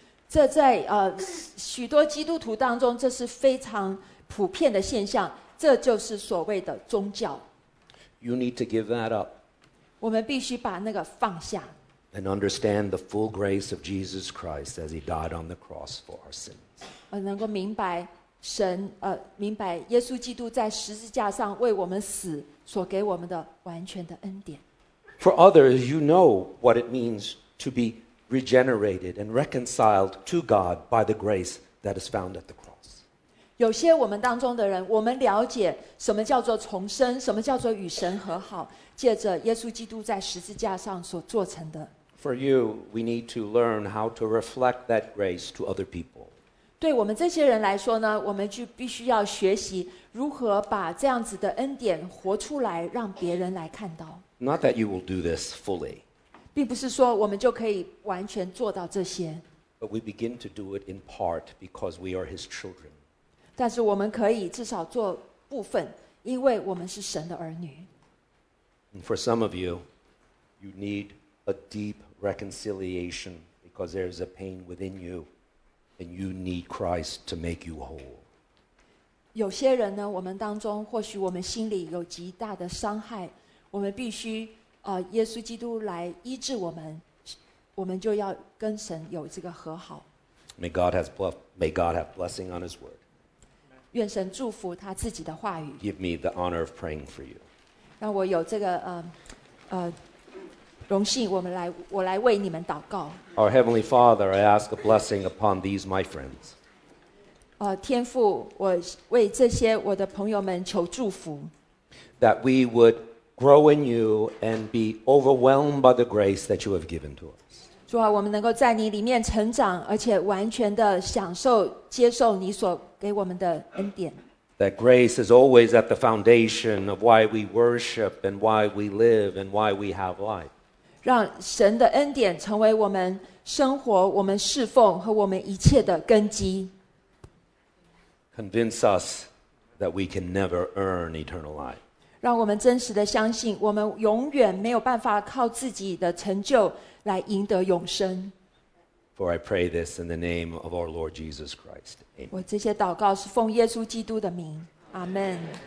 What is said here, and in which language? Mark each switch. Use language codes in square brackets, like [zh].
[zh] 这在许多基督徒当中，这是非常普遍的现象，这就是所谓的宗教。 [en] You need to give that up. [zh] 我们必须把那个放下。 [en] And understand the full grace of Jesus Christ as he died on the cross for our sins. [zh] 能够明白神明白耶稣基督在十字架上为我们死所给我们的完全的恩典。 [en] For others, you know what it means to be regenerated and reconciled to God by the grace that is found at the cross. [zh] 有些我们当中的人，我们了解什么叫做重生，什么叫做与神和好，借着耶稣基督在十字架上所做成的。 [en] For you, we need to learn how to reflect that grace to other people. [zh] 对我们这些人来说呢，我们就必须要学习如何把这样子的恩典活出来，让别人来看到。 [en] Not that you will do this fully. [zh] 并不是说我们就可以完全做到这些。 [en] But we begin to do it in part because we are His children. [zh] 但是我们可以至少做部分，因为我们是神的儿女。 [en] And for some of you, you need a deep reconciliation because there is a pain within you. And you need Christ to make you whole. [zh] 有些人呢，我们当中或许我们心里有极大的伤害，我们必须耶稣基督来医治我们，我们就要跟神有这个和好。 [en] May God have blessing on His word. [zh] 愿神祝福他自己的话语。 [en] Give me the honor of praying for you. [zh] 让我有这个荣幸我来为你们祷告。 [en] Our Heavenly Father, I ask a blessing upon these my friends. [zh] 天父，我为这些我的朋友们求祝福。 [en] That we would grow in you and be overwhelmed by the grace that you have given to us. [zh] 主啊，我们能够在你里面成长，而且完全的享受、接受你所给我们的恩典。 [en] That grace is always at the foundation of why we worship and why we live and why we have life. [zh] 让神的恩典成为我们生活、我们侍奉和我们一切的根基。 [en] Convince us that we can never earn eternal life. [zh] 让我们真实的相信，我们永远没有办法靠自己的成就来赢得永生。 [en] For I pray this in the name of our Lord Jesus Christ. Amen. [zh] 我这些祷告是奉耶稣基督的名。阿门。